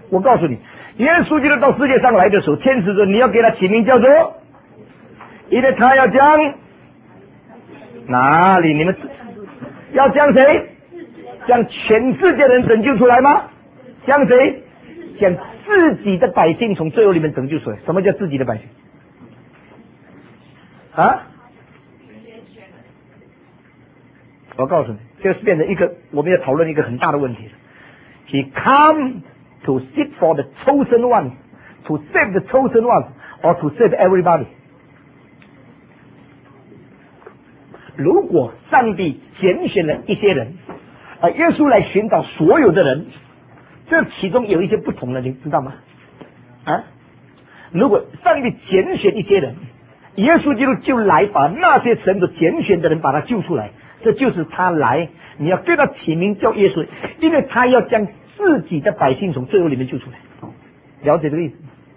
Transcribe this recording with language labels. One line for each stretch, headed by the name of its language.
Chinese: 我告诉你，耶稣基督到世界上来的时候，天使说你要给他起名叫做，因为他要将哪里，你们要将谁，将全世界的人拯救出来吗？将谁，将自己的百姓从罪恶里面拯救出来。什么叫自己的百姓啊？我告诉你，这是变成一个我们要讨论一个很大的问题。
English: He come to seek for the chosen one, to save the chosen one, or to save everybody。
Chinese: 如果上帝拣选了一些人，耶稣来寻找所有的人，这其中有一些不同的，你知道吗？啊，如果上帝拣选一些人，耶稣基督就来把那些神所拣选的人把他救出来，这就是他来，你要对他起名叫耶稣，因为他要将自己的百姓从罪恶里面救出来，了解这个意思吗？